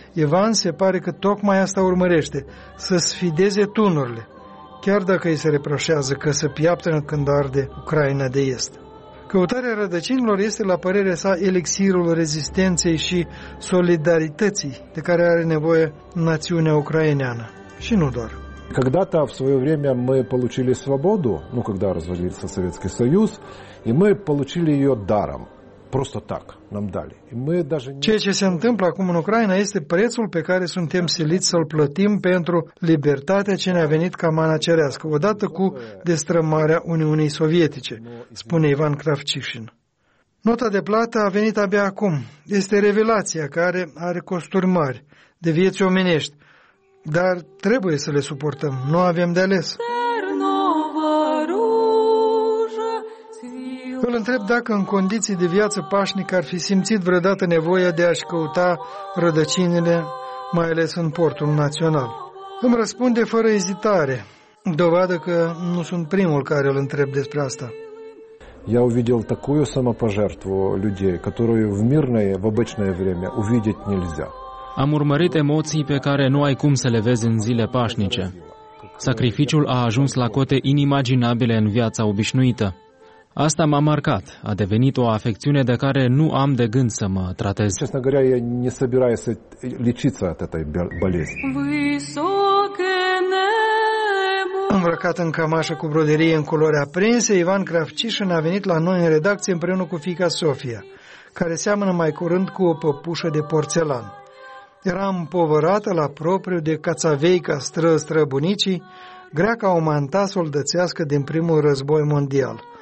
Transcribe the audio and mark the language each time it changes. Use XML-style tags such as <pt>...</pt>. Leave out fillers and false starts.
<ro>Ivan se pare că tocmai asta urmărește, să sfideze tunurile, chiar dacă îi se reproșează că se piaptănă când arde Ucraina de Est. Căutarea rădăcinilor este, la părerea sa, elixirul rezistenței și solidarității de care are nevoie națiunea ucraineană. Și nu doar.</ro> <ru>Когда-то в своё время мы получили свободу, ну когда развалился Советский Союз, и мы получили её даром. Просто так нам дали. И мы даже</ru> <ro>Ceea ce se întâmplă acum în Ucraina este prețul pe care suntem siliți să-l plătim pentru libertatea ce ne-a venit ca mana cerească, odată cu destrămarea Uniunii Sovietice, spune Ivan Kravchishin. Nota de plată a venit abia acum. Este revelația care are costuri mari de vieți omenești, dar trebuie să le suportăm. Nu avem de ales. Îl întreb dacă în condiții de viață pașnic ar fi simțit vreodată nevoia de a-și căuta rădăcinile, mai ales în portul național. Îmi răspunde fără ezitare, dovadă că nu sunt primul care îl întreb despre asta.</ro> <ru>Я увидел такую самопожертву людей, которую в мирное, в обычное время увидеть нельзя.</ru> <ro>Am urmărit emoții pe care nu ai cum să le vezi în zile pașnice. Sacrificiul a ajuns la cote inimaginabile în viața obișnuită. Asta m-a marcat, a devenit o afecțiune de care nu am de gând să mă tratez.</ro> <ru>Честно говоря, я не собираюсь лечиться от этой болезни.</ru> <ro>Îmbrăcat în cămașă cu broderie în culori aprinse, Ivan Kravchishin a venit la noi în redacție împreună cu fiica Sofia, care seamănă mai curând cu o păpușă de porțelan. Era împovărată la propriu de cațaveica străbunicii, grea ca o manta soldățească din primul război mondial.</ro>